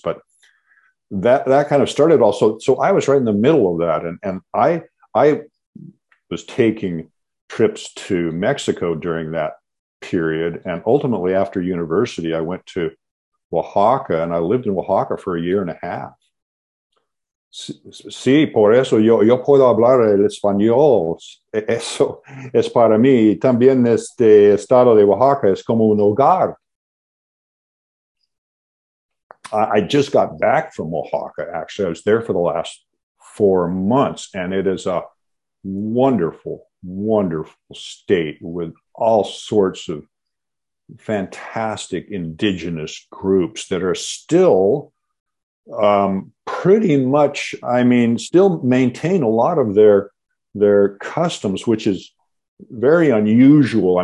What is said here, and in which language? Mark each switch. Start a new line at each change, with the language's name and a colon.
English: But that kind of started also. So I was right in the middle of that, and I was taking trips to Mexico during that period. And ultimately, after university, I went to Oaxaca, and I lived in Oaxaca for a year and a half.
Spanish: Sí, por eso yo puedo hablar el español. Eso es para mí. También este estado de Oaxaca es como un hogar.
English: I just got back from Oaxaca, actually. I was there for the last 4 months, and it is a wonderful, wonderful state with all sorts of fantastic indigenous groups that are still pretty much, I mean, still maintain a lot of their customs, which is very unusual.